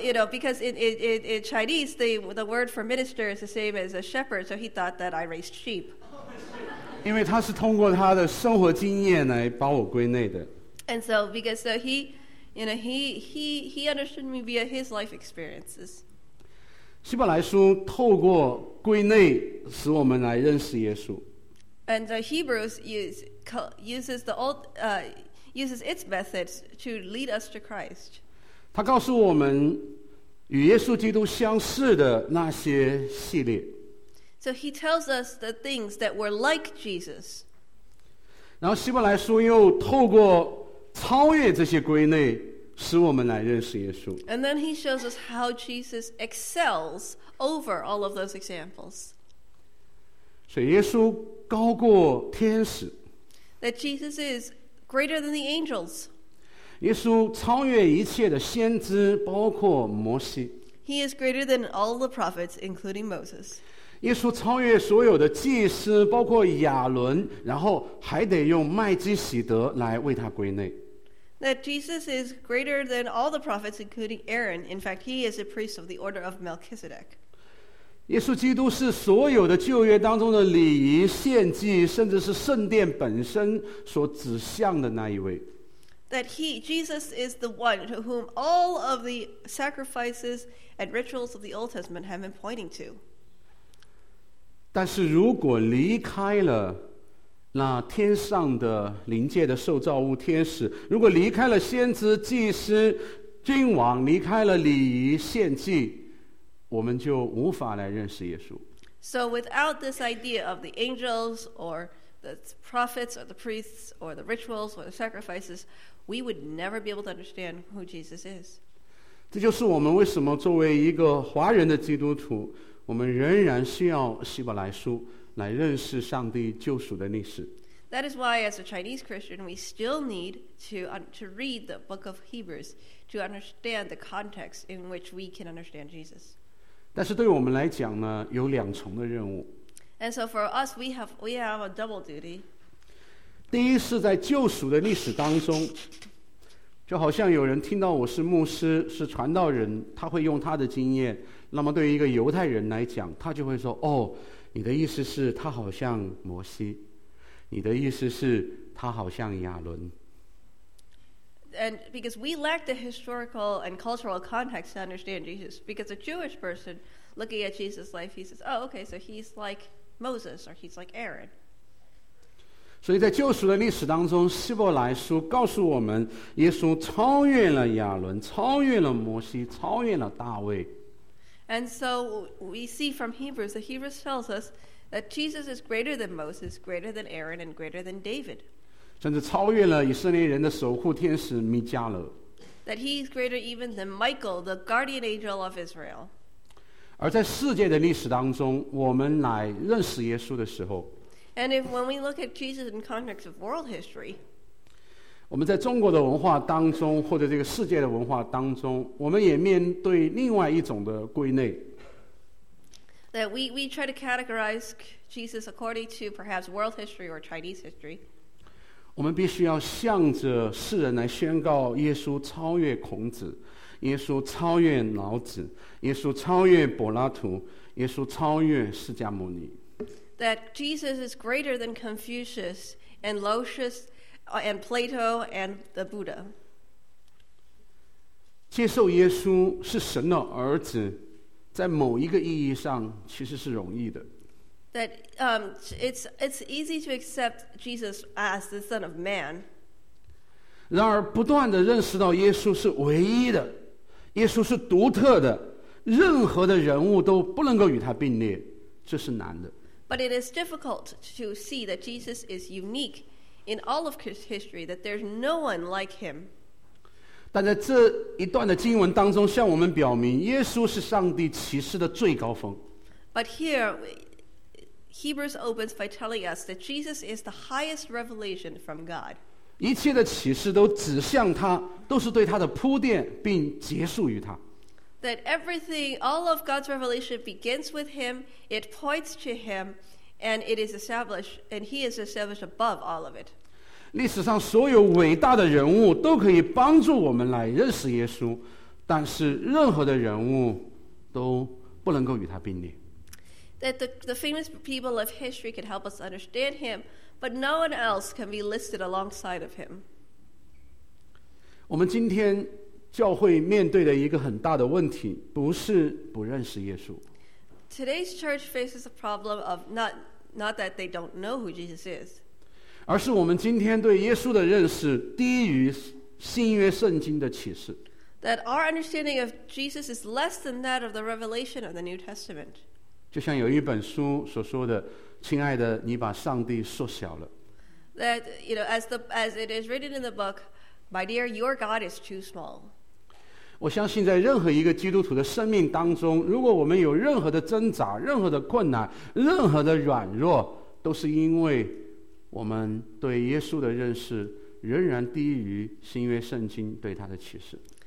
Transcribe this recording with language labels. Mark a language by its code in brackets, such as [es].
[en] Because in Chinese the word for minister is the same as a shepherd, so he thought that I raised sheep. [zh] 因为他是通过他的生活经验来把我归类的。 [en] And so because so he, you know, he understood me via his life experiences. [zh] 希伯来书透过归类使我们来认识耶稣。 [en] And the Hebrews uses the old. Uses its methods to lead us to Christ. [zh] 他告诉我们与耶稣基督相似的那些系列。 [en] So he tells us the things that were like Jesus. [zh] 然后希伯来书又透过超越这些归类使我们来认识耶稣。 [en] And then he shows us how Jesus excels over all of those examples. [zh] 所以耶稣高过天使。 [en] That Jesus is greater than the angels. [zh] 耶稣超越一切的先知，包括摩西。 [en] He is greater than all the prophets, including Moses. [zh] 耶稣超越所有的祭司，包括亚伦，然后还得用麦基洗德来为他归内。 [en] That Jesus is greater than all the prophets, including Aaron. In fact, he is a priest of the order of Melchizedek. [zh] 耶稣基督是所有的旧约当中的礼仪、献祭，甚至是圣殿本身所指向的那一位。 [en] That he, Jesus, is the one to whom all of the sacrifices and rituals of the Old Testament have been pointing to. [zh] 但是如果离开了那天上的灵界的受造物天使，如果离开了先知、祭司、君王，离开了礼仪、献祭，我们就无法来认识耶稣。 [en] So without this idea of the angels or the prophets or the priests or the rituals or the sacrifices, we would never be able to understand who Jesus is. [zh] 这就是我们为什么作为一个华人的基督徒，我们仍然需要希伯来书来认识上帝救赎的历史。 [en] That is why as a Chinese Christian, we still need to read the book of Hebrews to understand the context in which we can understand Jesus. [zh] 但是对我们来讲呢，有两重的任务。 [en] And so for us, we have a double duty. [zh] 第一是在救赎的历史当中，就好像有人听到我是牧师、是传道人，他会用他的经验。那么对于一个犹太人来讲，他就会说：“哦，你的意思是，他好像摩西；你的意思是，他好像亚伦。” [en] And because we lack the historical and cultural context to understand Jesus, because a Jewish person looking at Jesus' life, he says, oh, okay, so he's like Moses or he's like Aaron. [zh] 所以在救赎的历史当中，希伯来书告诉我们，耶稣超越了亚伦，超越了摩西，超越了大卫。 [en] And so we see from Hebrews, the Hebrews tells us that Jesus is greater than Moses, greater than Aaron, and greater than David. [zh] 甚至超越了以色列人的守护天使米迦勒。 [en] That he is greater even than Michael, the guardian angel of Israel. [zh] 而在世界的历史当中，我们来认识耶稣的时候 [en] ，And if when we look at Jesus in context of world history, [zh] 我们在中国的文化当中，或者这个世界的文化当中，我们也面对另外一种的归类。 [en] That we try to categorize Jesus according to perhaps world history or Chinese history. [zh] 我们必须要向着世人来宣告耶稣超越孔子，耶稣超越老子，耶稣超越柏拉图，耶稣超越释迦牟尼。 [en] That Jesus is greater than Confucius and Lucius and Plato and the Buddha. [zh] 接受耶稣是神的儿子，在某一个意义上其实是容易的。 [en] That it's easy to accept Jesus as the Son of Man. [zh] 然而，不断地认识到耶稣是唯一的，耶稣是独特的，任何的人物都不能够与他并列，这是难的。 [en] But it is difficult to see that Jesus is unique in all of history, that there's no one like him. [zh] 但在这一段的经文当中，向我们表明，耶稣是上帝启示的最高峰。 [en] But here. Hebrews opens by telling us that Jesus is the highest revelation from God. [zh] 一切的启示都指向他，都是对他的铺垫，并结束于他。 [en] That everything, all of God's revelation begins with him, it points to him, and it is established, and he is established above all of it. [zh] 历史上所有伟大的人物都可以帮助我们来认识耶稣，但是任何的人物都不能够与他并列。 [en] That the famous people of history can help us understand him, but no one else can be listed alongside of him. [zh] 我们今天教会面对的一个很大的问题，不是不认识耶稣。 [en] Today's church faces a problem of not that they don't know who Jesus is. [zh] 而是我们今天对耶稣的认识低于新约圣经的启示。 [en] That our understanding of Jesus is less than that of the revelation of the New Testament. [zh] 就像有一本书所说的，亲爱的，你把上帝缩小了。 [en] That, you know, as it is written in the book, my dear, your God is too small. [zh] 我相信在任何一个基督徒的生命当中，如果我们有任何的挣扎、任何的困难、任何的软弱，都是因为我们对耶稣的认识仍然低于新约圣经对他的启示。